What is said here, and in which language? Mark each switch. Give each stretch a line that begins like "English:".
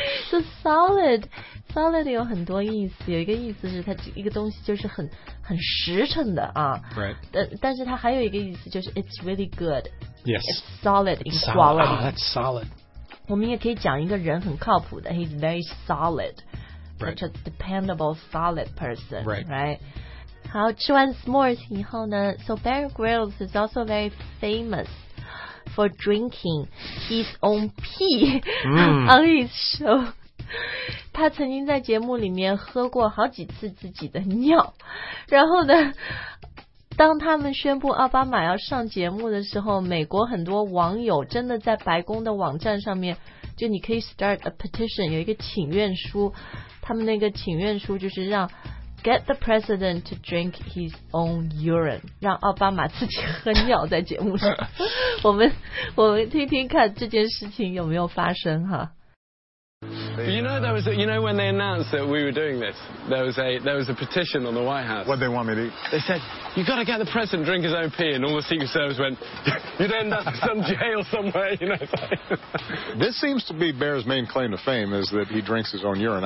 Chinese: So solid 有很多意思。有一个意思是它一个东西就是很实诚的啊。
English: Right.
Chinese: 但是它还有一个意思就是
English: it's really good. Yes. It's solid in quality. Oh, that's solid.
Chinese: 我们也可以讲一个人很靠谱的
English: He's very solid、 right. Such a dependable solid person right. right
Chinese: 好吃完
English: s'mores
Chinese: 以后呢
English: So Bear Grylls is also very famous For drinking his own pee、 mm. On his show
Chinese: 他曾经在节目里面喝过好几次自己的尿然后呢当他们宣布奥巴马要上节目的时候美国很多网友真的在白宫的网站上面就你可以
English: start a petition
Chinese: 有一个请愿书他们那个请愿书就是让
English: get the president to drink his own urine
Chinese: 让奥巴马自己喝尿在节目上我们听听看这件事情有没有发生哈
English: You know, there was a, you know when they announced that we were doing this, there was a petition on the White House. What'd they want me to eat? They said, you've got to get the president drink his own pee, and all the Secret Service went, you'd end up in some jail somewhere, you know. This seems to be Bear's main claim to fame, is that he drinks his own urine.